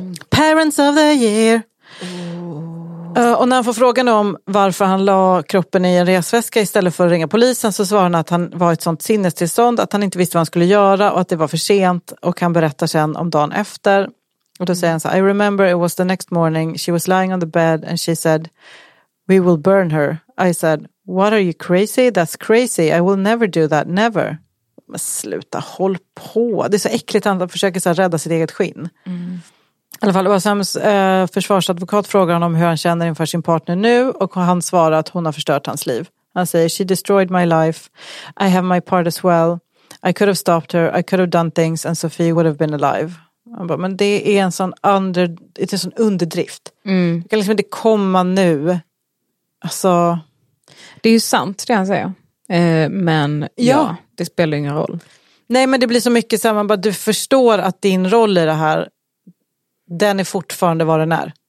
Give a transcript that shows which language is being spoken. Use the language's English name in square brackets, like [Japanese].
[English] Parents of the year. [Swedish] Och när han får frågan om varför han la kroppen i en resväska istället för att ringa polisen så svarar han att han var i ett sånt sinnestillstånd att han inte visste vad han skulle göra och att det var för sent. Och han berättar sen om dagen efter. Och då säger han så här, [English] I remember it was the next morning. She was lying on the bed and she said, we will burn her. I said, what are you crazy? That's crazy. I will never do that. Never. [Swedish] Men sluta, håll på. Det är så äckligt att han försöker så här, rädda sitt eget skinn. Mm. I alla fall, OSMs försvarsadvokat frågar honom hur han känner inför sin partner nu och han svarar att hon har förstört hans liv. Han säger, [English] she destroyed my life. I have my part as well. I could have stopped her. I could have done things and Sophie would have been alive. [Swedish] Han bara, men det är en sån underdrift. Mm. Det kan liksom inte komma nu. Alltså, det är ju sant det han säger. Men ja, det spelar ingen roll. Nej, men det blir så mycket så här, man bara, du förstår att din roll i det här, den är fortfarande vad den är.